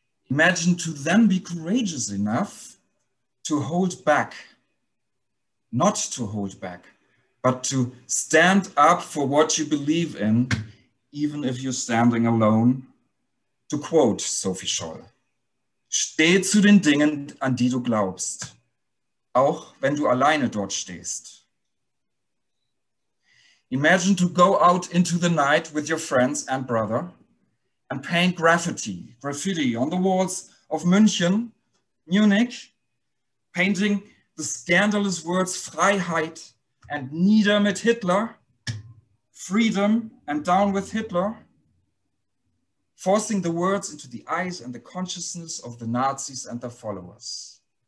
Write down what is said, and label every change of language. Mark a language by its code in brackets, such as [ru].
[en] Imagine to then be courageous enough to hold back, not to hold back, but to stand up for what you believe in, even if you're standing alone. To quote Sophie Scholl, [de] steh zu den Dingen, an die du glaubst, auch wenn du alleine dort stehst. [en] Imagine to go out into the night with your friends and brother and paint graffiti on the walls of München, Munich, painting the scandalous words Freiheit and [de] Nieder mit Hitler, [en] freedom and down with Hitler, forcing the words into the eyes and the consciousness of the Nazis and their followers.